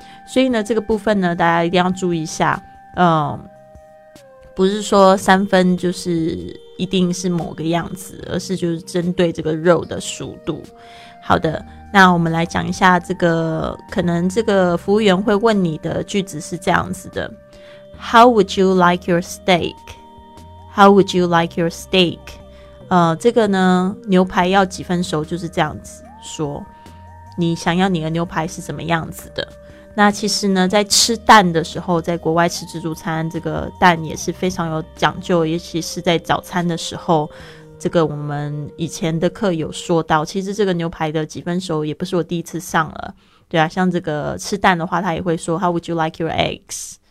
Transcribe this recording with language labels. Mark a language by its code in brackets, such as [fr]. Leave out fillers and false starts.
[zh] 所以呢这个部分呢大家一定要注意一下，不是说三分就是一定是某个样子，而是就是针对这个肉的熟度。好的，那我们来讲一下这个，可能这个服务员会问你的句子是这样子的 ： [en] How would you like your steak? How would you like your steak? [zh] 这个呢，牛排要几分熟，就是这样子说，你想要你的牛排是怎么样子的？那其实呢，在吃蛋的时候，在国外吃自助餐，这个蛋也是非常有讲究，尤其是在早餐的时候。这个我们以前的课有说到，其实这个牛排的几分熟也不是我第一次上了，对啊，像这个吃蛋的话，他也会说 [en] How would you like your eggs?